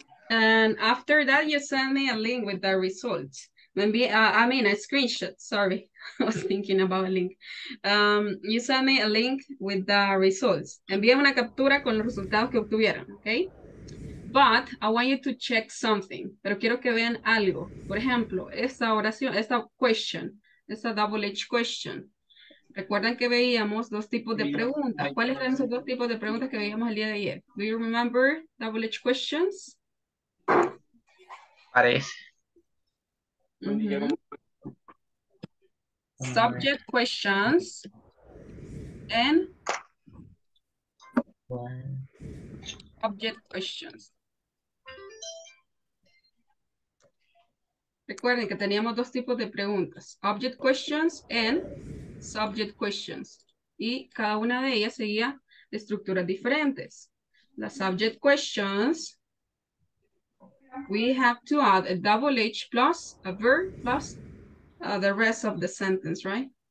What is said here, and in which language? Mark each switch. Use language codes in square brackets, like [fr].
[en] And after that, you send me a link with the results. Maybe I mean a screenshot. Sorry, I was thinking about a link. You send me a link with the results. [es] Envía una captura con los resultados que obtuvieron, okay? [en] But I want you to check something. [es] Pero quiero que vean algo. Por ejemplo, esta oración, esta question, esta double H question. Recuerdan que veíamos dos tipos de preguntas. ¿Cuáles eran esos dos tipos de preguntas que veíamos el día de ayer? [en] Do you remember double H questions? [es] Parece. [en] Subject questions and object questions. [es] Recuerden que teníamos dos tipos de preguntas, [en] object questions and subject questions. [es] Y cada una de ellas seguía estructuras diferentes. [en] Las subject questions, we have to add a double H plus a verb plus the rest of the sentence, right?